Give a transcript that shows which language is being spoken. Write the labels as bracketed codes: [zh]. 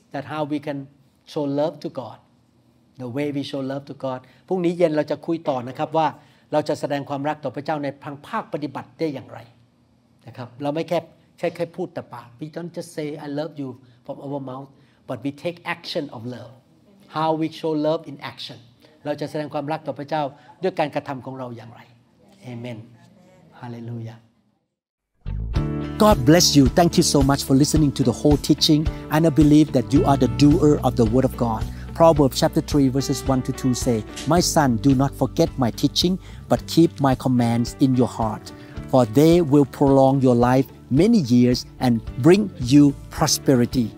[en] that how we can show love to God, the way we show love to God. [th] พรุ่งนี้เย็นเราจะคุยต่อนะครับว่าเราจะแสดงความรักต่อพระเจ้าในทางภาคปฏิบัติได้อย่างไรนะครับเราไม่แค่พูดแต่ปาก [en] we don't just say I love you from our mouth but we take action of love. How we show love in action. [th] เราจะแสดงความรักต่อพระเจ้าด้วยการกระทำของเราอย่างไร Amen. [en] Hallelujah. God bless you. Thank you so much for listening to the whole teaching. And I believe that you are the doer of the word of God. Proverbs chapter 3 verses 1 to 2 say, My son, do not forget my teaching, but keep my commands in your heart. For they will prolong your life many years and bring you prosperity.